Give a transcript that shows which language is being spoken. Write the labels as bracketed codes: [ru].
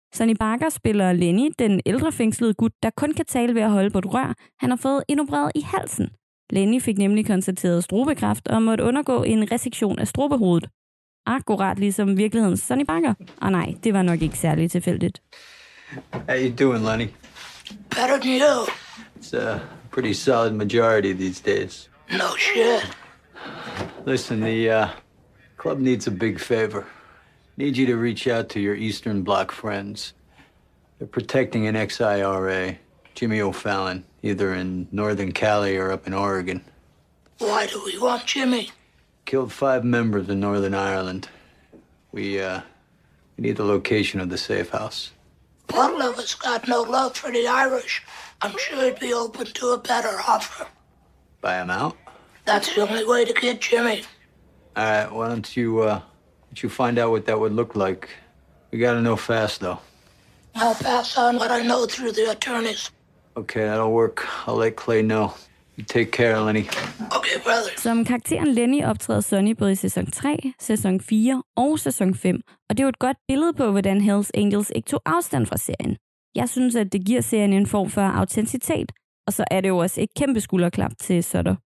[da] Sonny Barker spiller Lenny, den ældre fængslede gut, der kun kan tale ved at holde på et rør, han har fået indopereret i halsen. Lenny fik nemlig konstateret strubekræft og måtte undergå en resektion af strubehovedet. Akkurat ligesom virkelighedens Sonny Barker. Og nej, det var nok ikke særlig tilfældigt. [en] How you doing, Lenny? Better than you. It's a pretty solid majority these days. No shit. Listen, the club needs a big favor. Need you to reach out to your Eastern Bloc friends. They're protecting an ex-IRA, Jimmy O'Fallon, either in Northern Cali or up in Oregon. Why do we want Jimmy? Killed 5 members in Northern Ireland. We need the location of the safe house. One of us got no love for the Irish. I'm sure he'd be open to a better offer. Buy him out? That's the only way to get Jimmy. All right, why don't you, you find out what that would look like. We gotta know fast, though. I'll pass on what I know through the attorneys. Okay, that'll work. I'll let Clay know. You take care, Lenny. Okay, brother. [da] Som karakteren Lenny optræder Sonny både i sæson 3, sæson 4 og sæson 5, og det er jo et godt billede på, hvordan Hells Angels ikke tog afstand fra serien. Jeg synes, at det giver serien en form for autenticitet, og så er det jo også et kæmpe skulderklap til Sutter.